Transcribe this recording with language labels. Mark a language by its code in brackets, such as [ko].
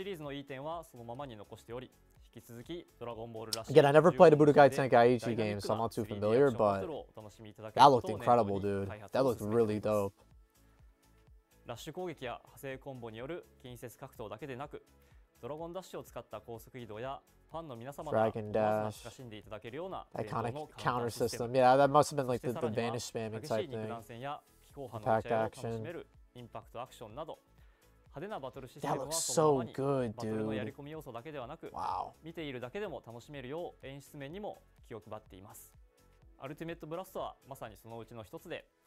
[en] Again, I never played a Budokai Tenkaichi game, so I'm not too familiar, but that looked incredible, dude. That looked really dope. [ja] ラッシュ攻撃や派生コンボによる近接格闘だけでなく、ドラゴンダッシュを使った高速移動やファンの皆様が親しんでいただけるようなアイコンのカウンターシステム。 [en] Yeah, that must have been like the vanish spamming type thing. [ja] 肉弾戦や気候波の打ち合いを楽しめるインパクトアクションなど、派手なバトルシステムはそのままにバトルのやり込み要素だけではなく、見ているだけでも楽しめるよう演出面にも気を配っています。アルティメットブラストはまさにそのうちの一つで、